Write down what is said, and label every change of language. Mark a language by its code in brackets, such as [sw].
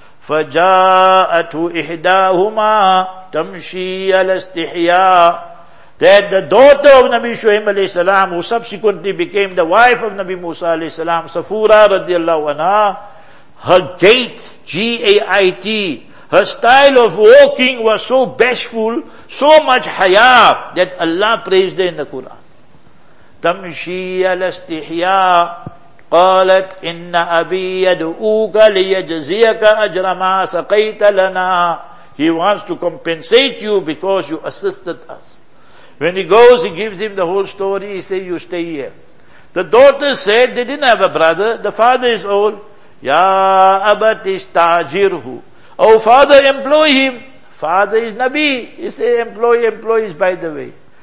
[ar] فَجَاءَتُ إِحْدَاهُمَا تَمْشِي عَلَى اسْتِحْيَا [en] That the daughter of Nabi Shu'aib alayhi salam, who subsequently became the wife of Nabi Musa alayhi salam, Safura radiallahu anha, her gait, G-A-I-T, her style of walking was so bashful, so much haya, that Allah praised her in the Quran. [ar] تَمْشِي عَلَى اسْتِحْيَا قَالَتْ إِنَّ أَبِي يَدْعُوكَ لِيَجْزِيَكَ أَجْرَ مَا سَقَيْتَ لَنَا [en] He wants to compensate you because you assisted us. When he goes, he gives him the whole story, he says, you stay here. The daughter said, they didn't have a brother, the father is old. [ar] يَا أَبَتِ اسْتَعْجِرْهُ [en] Oh father, employ him. Father is Nabi. He says, employ employees by the way.